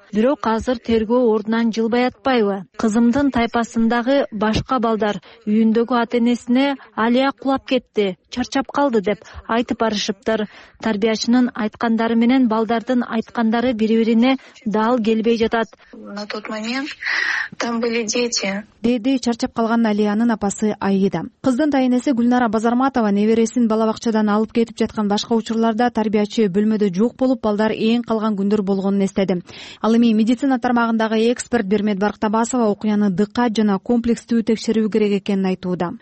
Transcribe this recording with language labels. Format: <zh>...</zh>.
<ky>Бирок азыр тергөө ордунан жылбай атпайбы? Кызымдын тайпасындагы башка балдар үйүндөгү ата-энесине Алия кулап кетти, чарчап калды деп айтып барышыптыр. Тарбиячынын айткандары менен балдардын айткандары бири бирине дал келбей жатат.</ky> <ru>На тот момент там были дети.</ru> <ky>Деди чарчап калган Алиянын апасы Аида. Кыздын тайэнеси Гүлнара Базарматова небересин бала бакчадан алып кетип жаткан башка учурларда тарбиячы бөлмөдө жок болуп, балдар ээн калган күндөр болгонун эстеди. Ал эми медицина тармагындагы эксперт Бермет Барктабасова окуяны дыккат жана комплекстүү текшерүү керек экенин айтууда.</ky>